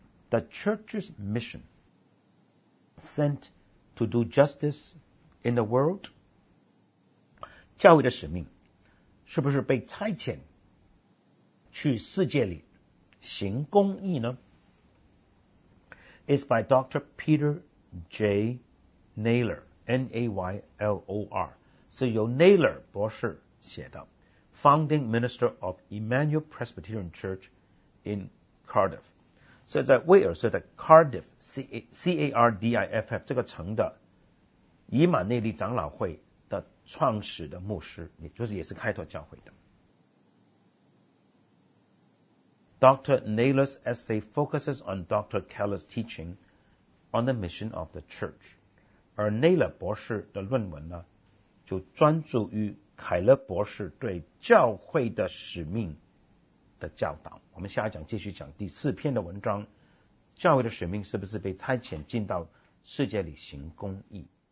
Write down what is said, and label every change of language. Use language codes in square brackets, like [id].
[en] The Church's mission, sent to do justice in the world? [zh] 教会的使命是不是被差遣去世界里行公义呢？ [en] It's by Dr. Peter J. Naylor, N-A-Y-L-O-R, [zh] 是由 Naylor 博士写的 [en] Founding Minister of Emmanuel Presbyterian Church in Cardiff. [zh] 是在威尔士的 Cardiff, C-A-R-D-I-F-F, 这个城的以马内利长老会的创始的牧师，也就是也是开拓教会的。 [en] Dr. Naylor's essay focuses on Dr. Keller's teaching on the mission of the church. [zh] 而 Naylor 博士的论文呢，就专注于凯勒博士对教会的使命的教导。我们下一讲继续讲第四篇的文章，教会的使命是不是被差遣进到世界里行公义。